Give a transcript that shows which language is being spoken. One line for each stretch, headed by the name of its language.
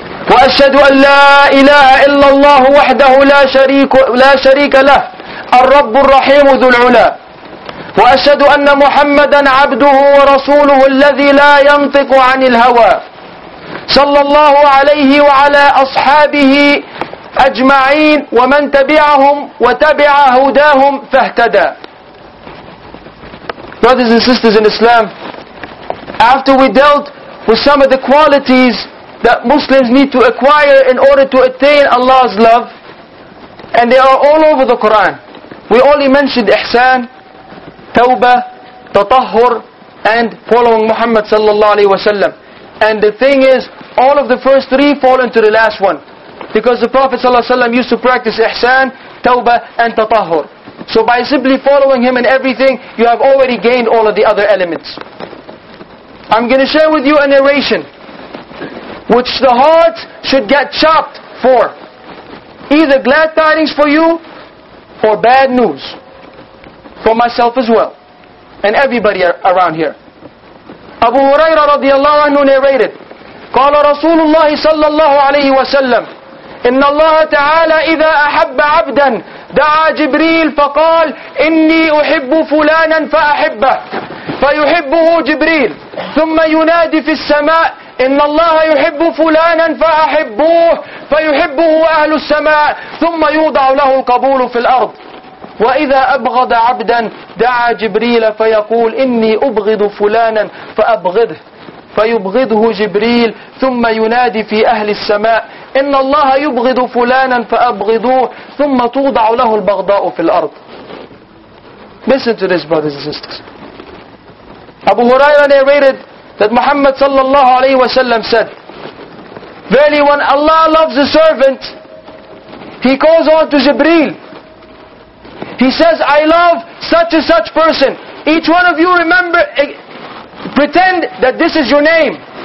Arabic: وأشهد أن لا إله إلا الله وحده لا شريك له الرب الرحيم ذو العلا وأشهد أن محمدا عبده ورسوله الذي لا ينطق عن الهوى صلى الله عليه وعلى أصحابه أجمعين ومن تبعهم وتبع هداهم فاهتدى.
English: Brothers and sisters in Islam, after we dealt with some of the qualities that Muslims need to acquire in order to attain Allah's love, and they are all over the Quran, we only mentioned ihsan, tawbah, tatahhur, and following Muhammad sallallahu alayhi wasallam. And the thing is, all of the first three fall into the last one, because the Prophet ﷺ used to practice ihsan, tawbah, and tatahhur. So by simply following him in everything, you have already gained all of the other elements. I'm going to share with you a narration which the heart should get chopped for. Either glad tidings for you, or bad news. For myself as well, and everybody around here. Abu Hurairah radiallahu anhu narrated,
Arabic: قال رسول الله صلى الله عليه وسلم إن الله تعالى إذا أحب عبدا دعا جبريل فقال إني أحب فلانا فأحبه فيحبه جبريل ثم ينادي في السماء إن الله يحب فلانا فأحبوه فيحبه أهل السماء ثم يوضع له القبول في الأرض وإذا أبغض عبدا دعا جبريل فيقول إني أبغض فلانا فأبغضه فيبغضه جبريل ثم ينادي في أهل السماء إن الله يبغض فلانا فأبغضوه ثم توضع له البغضاء في الأرض.
English: Listen to this, brothers and sisters. Abu Hurairah narrated that Muhammad sallallahu alayhi wa sallam said, verily when Allah loves a servant, he calls on to Jibreel. He says, I love such and such person. Each one of you remember, pretend that this is your name.